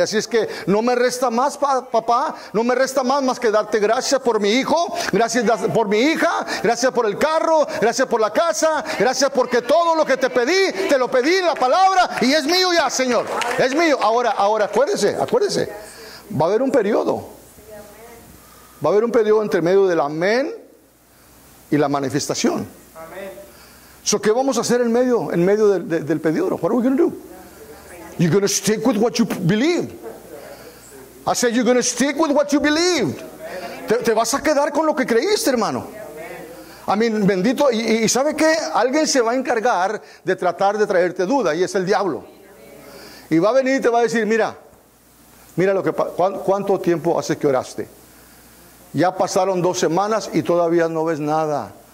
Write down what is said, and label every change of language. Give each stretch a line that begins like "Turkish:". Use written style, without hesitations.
Spanish: Así es que no me resta más, papá, no me resta más que darte gracias por mi hijo, gracias por mi hija, gracias por el carro, gracias por la casa, gracias porque todo lo que te lo pedí en la palabra, y es mío ya, Señor, es mío. Ahora acuérdese, va a haber un periodo, entre medio del amén y la manifestación. Amén. So, ¿qué vamos a hacer en medio del pedido?
English: What are we going to do? You're going to stick with what you believe. I said you're going to stick with what you believed.
Spanish: Te vas a quedar con lo que creíste, hermano. Amén.
English: I mean,
Spanish: bendito. Y sabe que alguien se va a encargar de tratar de traerte duda, y es el diablo. Y va a venir y te va a decir, mira lo que cuánto tiempo hace que oraste. Ya pasaron 2 semanas y todavía no ves nada.